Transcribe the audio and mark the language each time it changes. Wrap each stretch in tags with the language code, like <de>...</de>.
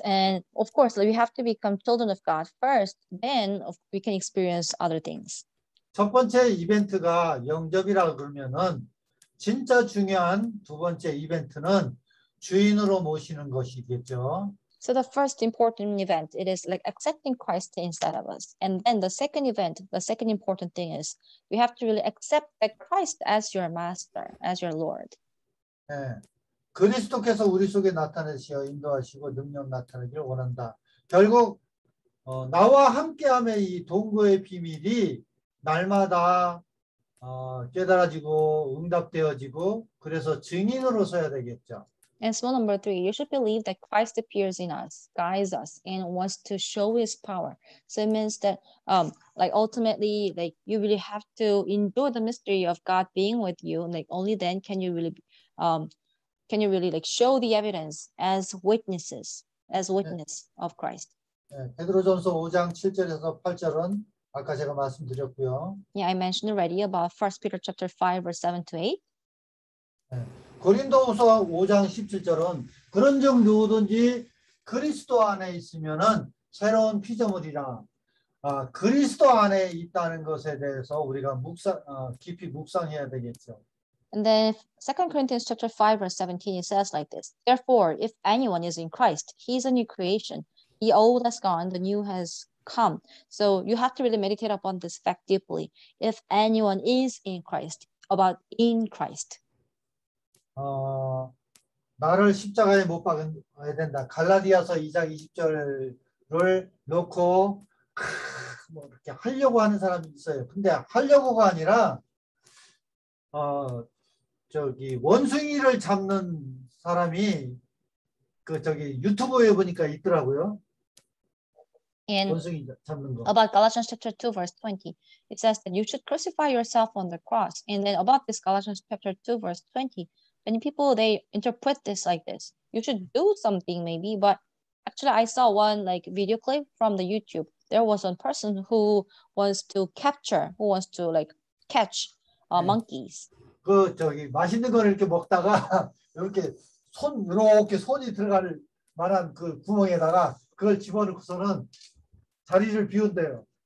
<en>And of course, we have to become children of God first, then we can experience other things.</en> <ko>첫 번째 이벤트가 영접이라고 그러면은 진짜 중요한 두 번째 이벤트는 주인으로 모시는 것이겠죠.</ko> <en>So the first important event, it is like accepting Christ instead of us. And then the second event, the second important thing is we have to really accept that Christ as your master, as your Lord.</en> <ko>네. 그리스도께서 우리 속에 나타내시어 인도하시고 능력 나타내기를 원한다. 결국 나와 함께함의 이 동거의 비밀이 날마다 깨달아지고 응답되어지고 그래서 증인으로 서야 되겠죠.</ko> <en>And so number three, you should believe that Christ appears in us, guides us, and wants to show his power. So it means that like ultimately, like you really have to endure the mystery of God being with you. Like only then can you really can you really like show the evidence as witnesses, as witness 네. of Christ?</en> <ko>네, 베드로전서 5장 7절에서 8절은 아까 제가 말씀드렸고요.</ko> <en>Yeah, I mentioned already about 1 Peter chapter 5 verse 7 to 8.</en> <ko>네, 고린도후서 5장 17절은 그런즉 누구든지 그리스도 안에 있으면은 새로운 피조물이라. 그리스도 안에 있다는 것에 대해서 우리가 깊이 묵상해야 되겠죠.</ko> <en>And then 2 Corinthians chapter 5 verse 17, it says like this, therefore, if anyone is in Christ, he is a new creation. The old has gone, the new has come. So you have to really meditate upon this fact deeply. If anyone is in Christ, about in Christ.</en> <ko>나를 십자가에 못 박아야 된다. 갈라디아서 2장 20절을 놓고 뭐 이렇게 하려고 하는 사람이 있어요. 근데 하려고가 아니라 저기 원숭이를 잡는 사람이 그 저기 유튜브에 보니까 있더라고요.</ko> <en>In</en> <ko>원숭이 잡는 거.</ko> <en>About Galatians chapter 2 verse 20. It says that you should crucify yourself on the cross. And then about this Galatians chapter 2 verse 20. Many people, they interpret this like this. You should do something maybe, but actually I saw one like video clip from the YouTube. There was a person who wants to capture, who wants to like catch monkeys.</en> <ko>그 저기 맛있는 걸 이렇게 먹다가 이렇게 손 이렇게 손이 들어갈 만한 그 구멍에다가 그걸 집어넣고서는 자리를 비운대요.</ko>